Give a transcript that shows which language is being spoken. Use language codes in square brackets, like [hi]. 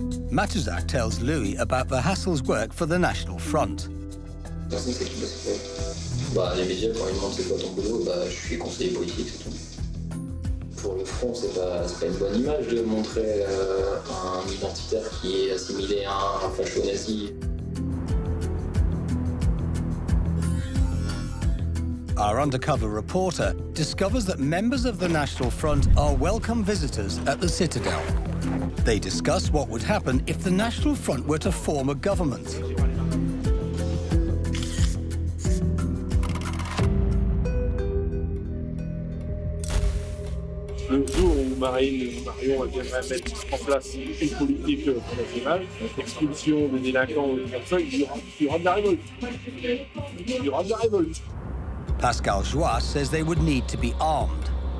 [en] Matuzak tells Louis about Verhassel's work for the National Front. [fr] Bah, les médias, quand ils demandent c'est quoi ton boulot, bah, je suis conseiller politique, c'est tout. Pour le Front, c'est pas une bonne image de montrer un identitaire qui est assimilé à un facho nazi. [en] Our undercover reporter discovers that members of the National Front are welcome visitors at the Citadel. They discuss what would happen if the National Front were to form a government. [fr] Le jour où Marine et Marion viendraient mettre en place une politique nationale, expulsion des délinquants, il y aura de la révolte. [en] Pascal Joie says they would need to be armed.